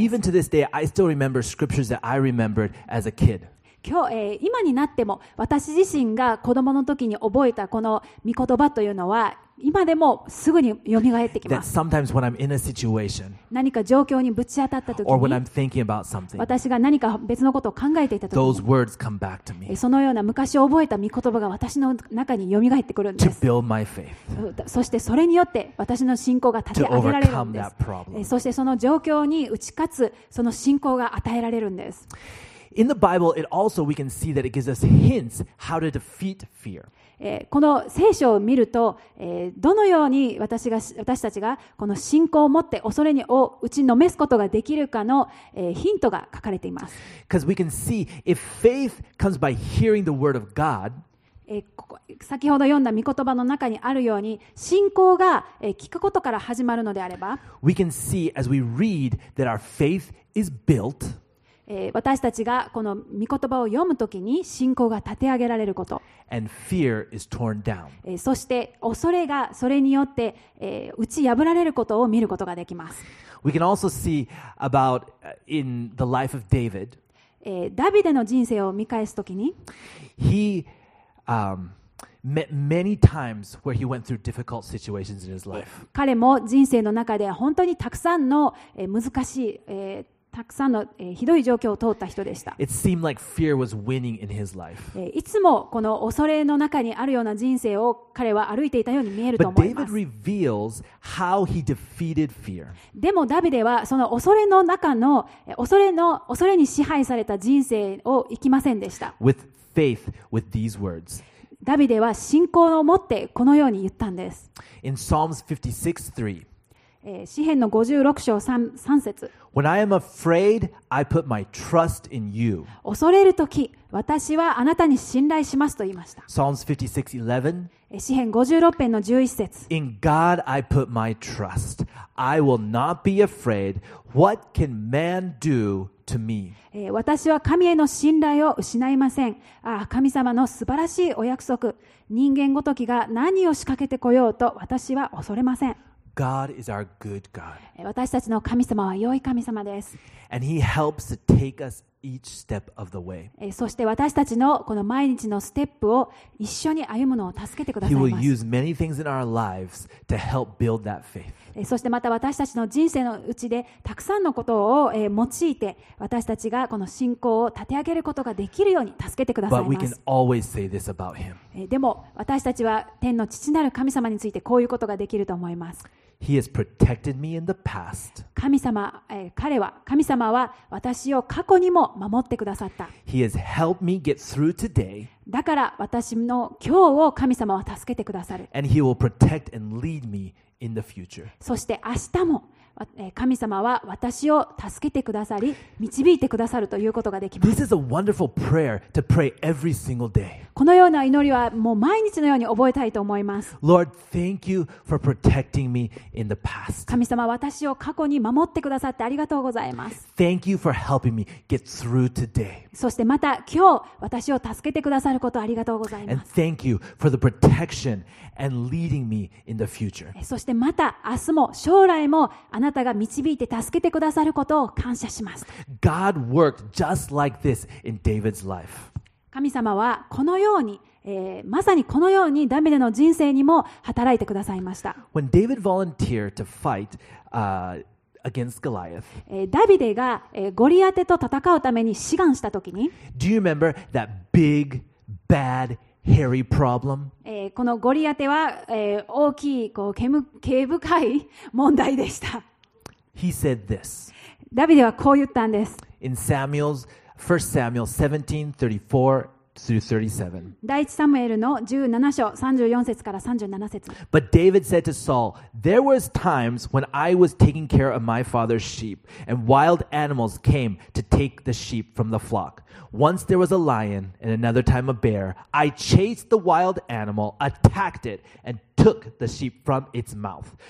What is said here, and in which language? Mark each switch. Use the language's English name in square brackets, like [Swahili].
[English] Even to this day, I still remember scriptures that I remembered as a kid. [Japanese] 今になっても私自身が子供の時に覚えたこの御言葉というのは今でもすぐに蘇ってきます。 [English] That sometimes when I'm in a situation, [Japanese] 何か状況にぶち当たった時に [English] or when I'm thinking about something, [Japanese] 私が何か別のことを考えていた時に [English] those words come back to me. [Japanese] そのような昔覚えた御言葉が私の中に蘇ってくるんです。 [English] To build my faith. [Japanese] そしてそれによって私の信仰が立て上げられるんです。そしてその状況に打ち勝つその信仰が与えられるんです。 [English] In the Bible, it also we can see that it gives us hints how to defeat fear. [Japanese] この聖書を見ると、どのように私たちがこの信仰を持って恐れにを打ちのめすことができるかの、ヒントが書かれています。 [English] Because we can see if faith comes by hearing the word of God. [Japanese] 先ほど読んだ御言葉の中にあるように信仰が、聞くことから始まるのであれば、 [English] we can see as we read that our faith is built. [Japanese] 私たちがこの御言葉を読むときに信仰が立て上げられること、 [English] And fear is torn down. [Japanese] そして恐れがそれによって、打ち破られることを見ることができます。 [English] We can also see about in the life of David. [Japanese] ダビデの人生を見返すときに [English] He met many times where he went through difficult situations in his life. [Japanese] 彼も人生の中で本当にたくさんの、難しい、たくさんの、ひどい状況を通った人でした。 [English] It seemed like fear was winning in his life. [Japanese] いつもこの恐れの中にあるような人生を彼は歩いていたように見えると思います。 [English] But David reveals how he defeated fear. [Japanese] でもダビデはその恐れの中の、恐れに支配された人生を生きませんでした。 [English] With faith, with these words. [Japanese] ダビデは信仰を持ってこのように言ったんです。 [English] In Psalms 56:3. [Japanese] 詩編の56章 3節。 [English] When I am afraid, I put my trust in you. [Japanese] 恐れるとき、私はあなたに信頼しますと言いました。 [English] Psalms 56:11. [Japanese] 詩編56編の11節。 [English] In God I put my trust. I will not be afraid. What can man do to me? [Japanese] 私は神への信頼を失いません。ああ、神様の素晴らしいお約束。人間ごときが何を仕掛けてこようと私は恐れません。 [English] God is our good God. [Japanese] 私たちの神様は良い神様です。 [English] And He helps to take us each step of the way. [Japanese] そして私たちのこの毎日のステップを一緒に歩むのを助けてくださいます。 [English] He will use many things in our lives to help build that faith. [Japanese] そしてまた私たちの人生のうちでたくさんのことを用いて私たちがこの信仰を立て上げることができるように助けてくださいます。 [English] But we can always say this about him. [Japanese] でも私たちは天の父なる神様についてこういうことができると思います。 [English] He has protected me in the past. [Japanese] 神様は私を過去にも守ってくださった。 [English] He has helped me get through today. [Japanese] だから私の今日を神様は助けてくださる。 [English] And he will protect and lead me in the future. [Japanese] そして明日も神様は私を助けてくださり導いてくださるということができます。 [English] This is a wonderful prayer to pray every single day. [Japanese] このような祈りはもう毎日のように覚えたいと思います。 [English] Lord, thank you for protecting me in the past. [Japanese] 神様、私を過去に守ってくださってありがとうございます。 [English] Thank you for helping me get through today. [Japanese] そしてまた今日私を助けてくださることありがとうございます。 [English] And thank you for the protection and leading me in the future. [Japanese] そしてまた明日も将来もあなたが導いて助けてくださることを感謝します。 [English] God worked just like this in David's life. [Japanese] 神様はこのように、まさにこのようにダビデの人生にも働いてくださいました。 [English] When David volunteered to fight, against Goliath, [Japanese] ダビデが、ゴリアテと戦うために志願したときに、 [English] Do you remember that big, bad,Hairy problem. [Japanese] このゴリアテは、大きいこう毛深い問題でした。 [English] He said this. [Japanese] ダビデはこう言ったんです。 [English] In Samuel's 1 Samuel 17:34-37. [Japanese] 第1サムエルの17章34節から37節。 [English] But David said to Saul, "There was times when I was taking care of my father's sheep, and wild animals came to take the sheep from the flock." Once there was a lion, and another time a bear. I chased the wild animal, attacked it, and took the sheep from its mouth.